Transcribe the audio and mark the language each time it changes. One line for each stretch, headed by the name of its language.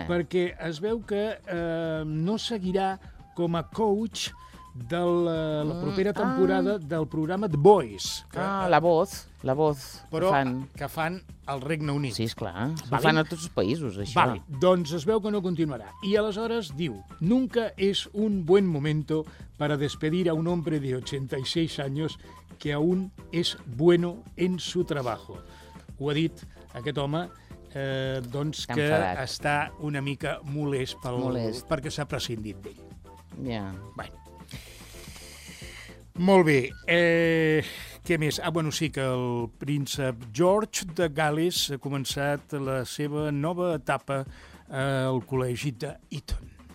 Catalan: Perquè es veu que no seguirà com a coach de la propera temporada del programa The Voice.
Spanish: La voz.
Catalan: Però fan... que fan al Regne Unit. Sí, esclar. Vale. Fan a tots els països, això. Vale. Doncs es veu que no continuarà.
Spanish: I aleshores diu, nunca es un buen momento para despedir a un hombre de 86 años que aún es bueno en su trabajo.
Catalan: Ho ha dit aquest home... doncs que està una mica molest. Perquè s'ha prescindit d'ell. Ja.
English: Yeah.
Catalan: Bueno. Molt bé. Què més? Ah, bueno, sí, que el príncep George de Gales ha començat la seva nova etapa al col·legi d'Eton.